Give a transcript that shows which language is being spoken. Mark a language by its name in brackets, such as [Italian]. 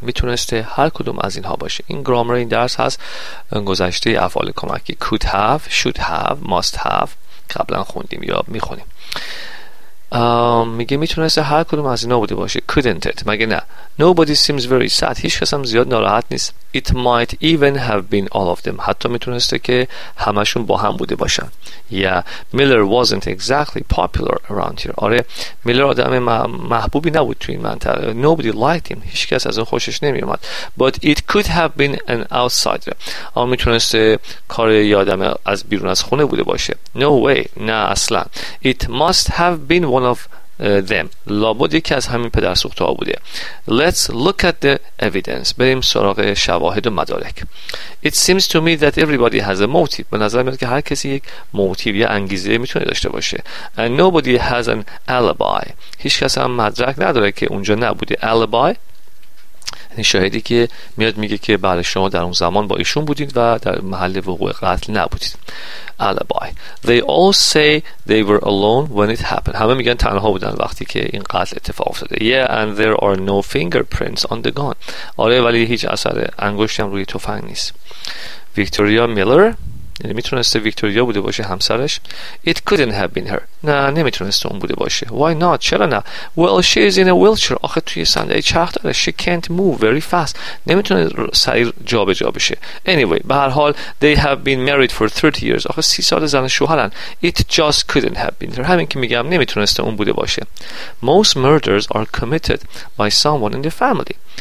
[Persian] میتونسته هر کدوم از اینها باشه. این گرامر این درس هست، گذشته افعال کمکی، [English] could have، should have، must have، [Persian] قبلا خوندیم یا میخونیم. میگه میتونسته هر کدوم از اینها بوده باشه. [English] couldn't it. [Persian] مگه نه. [English] Nobody seems very sad. [Persian] هیچ کس هم زیاد ناراحت نیست. [English] It might even have been all of them. [Persian] حتی میتونسته که همشون با هم بوده باشن. [English] Yeah, Miller wasn't exactly popular around here. [Persian] آره، میلر آدم محبوبی نبود تو این منطقه. [English] Nobody liked him. [Persian] هیچ کس از اون خوشش نمی اومد. [English] But it could have been an outsider. [Persian] اما میتونسته کار یه آدم از بیرون از خونه بوده باشه. [English] No way. [Persian] نه اصلا. [English] It must have been one of them. [Persian] لابد یکی از همین پدرسوخته ها بوده. [English] Let's look at the evidence. [Persian] بریم سراغ شواهد و مدارک. [English] It seems to me that everybody has a motive. [Persian] به نظر میاد که هر کسی یک موتیو یا انگیزه میتونه داشته باشه. [English] And nobody has an alibi. [Persian] هیچ کس هم مدرک نداره که اونجا نبوده. Alibi یعنی شاهدی که میاد میگه که بله شما در اون زمان با ایشون بودید و در محل وقوع قتل نبودید. [English] Alibi. They all say they were alone when it happened. [Persian] همه میگن تنها بودن وقتی که این قتل اتفاق افتاده. [English] Yeah, and there are no fingerprints on the gun. [Persian] آره ولی هیچ اثر انگشتی هم روی تفنگ نیست. ویکتوریا میلر، یعنی میتونسته ویکتوریا بوده باشه همسرش. [English] It couldn't have been her. [Persian] نه نمیتونسته اون بوده باشه. [English] Why not? [Persian] چرا نه؟ [English] Well, she is in a wheelchair. [Persian] آخه توی صندلی چرخ داره. [English] She can't move very fast. [Persian] نمیتونه سریع جا به جا بشه. [English] Anyway, [Persian] به هر حال [English] they have been married for 30 years. [Persian] آخه 30 سال زن شوهرن. [English] It just couldn't have been her. [Persian] همین که میگم نمیتونسته اون بوده باشه. [English] Most murders are committed by someone in the family.